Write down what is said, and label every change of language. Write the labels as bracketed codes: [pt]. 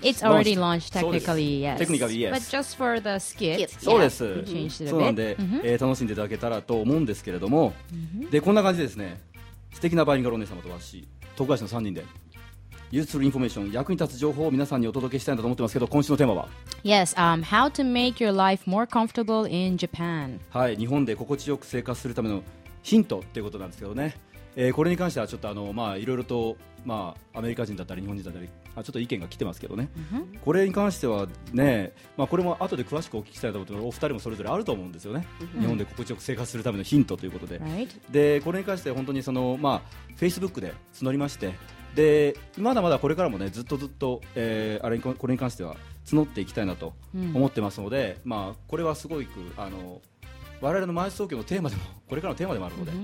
[en] It's already launched, technically, yes. Technically, yes. But just for the skit. [ja] そうです。 [en] Yeah. [ja] そうなんで、楽しんでいただけたらと思うんですけれども、で、こんな感じですね、素敵なバイリンガルお姉様と私、徳橋の3人で、 [en] Useful information, [ja] 役に立つ情報を皆さんにお届けしたいんだと思ってますけど、今週のテーマは [en] Yes, how to make your life more comfortable in Japan. [ja] はい、日本で心地よく生活するためのヒントっていうことなんですけどね、これに関してはちょっとまあ、いろいろと、まあ、アメリカ人だったり日本人だったり、ちょっと意見が来てますけどね、これに関してはね、まあ、これも後で詳しくお聞きしたいと思ってます。お二人もそれぞれあると思うんですよね、日本で心地よく生活するためのヒントということで、で、これに関して本当にその、まあ、Facebook で募りまして、でまだまだこれからもね、ずっとずっと、あれにこれに関しては募っていきたいなと思ってますので、まあ、これはすごく我々のマイアイス東京のテーマでも、これからのテーマでもあるので、